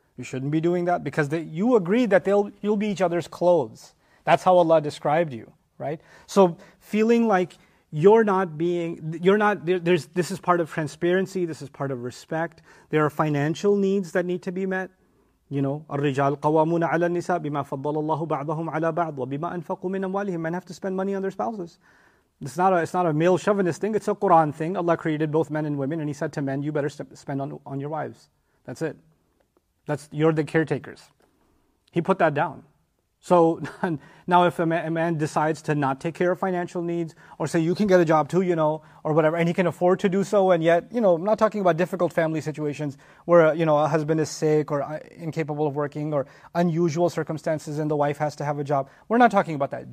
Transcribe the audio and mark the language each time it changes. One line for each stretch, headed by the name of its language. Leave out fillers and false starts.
English: You shouldn't be doing that because you agreed that you'll be each other's clothes. That's how Allah described you. Right, so feeling like this is part of transparency. This is part of respect. There are financial needs that need to be met. You know,
Arabic: الرجال قوامون على النساء بما فضل الله بعضهم على بعض وبما أنفقوا من أموالهم.
English: Men have to spend money on their spouses. It's not a male chauvinist thing. It's a Quran thing. Allah created both men and women, and He said to men, "You better spend on your wives." That's it. You're the caretakers. He put that down. So now if a man decides to not take care of financial needs, or say you can get a job too, you know, or whatever, and he can afford to do so, and yet, you know, I'm not talking about difficult family situations where, you know, a husband is sick or incapable of working or unusual circumstances and the wife has to have a job. We're not talking about that.